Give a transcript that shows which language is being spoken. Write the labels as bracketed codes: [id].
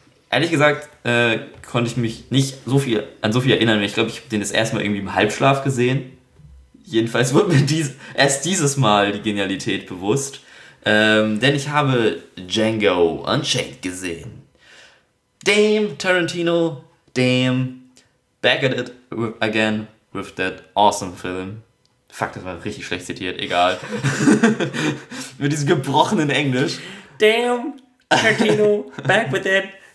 [de] Ehrlich gesagt, konnte ich mich nicht so viel erinnern. Ich glaube, ich habe den das erste Mal irgendwie im Halbschlaf gesehen. Jedenfalls wurde mir erst dieses Mal die Genialität bewusst. Denn ich habe Django Unchained gesehen. [en] Damn Tarantino, damn. Back at it again with that awesome film. [de] Fuck, das war richtig schlecht zitiert, egal. Mit diesem gebrochenen Englisch. [en] Damn Tarantino, back with it.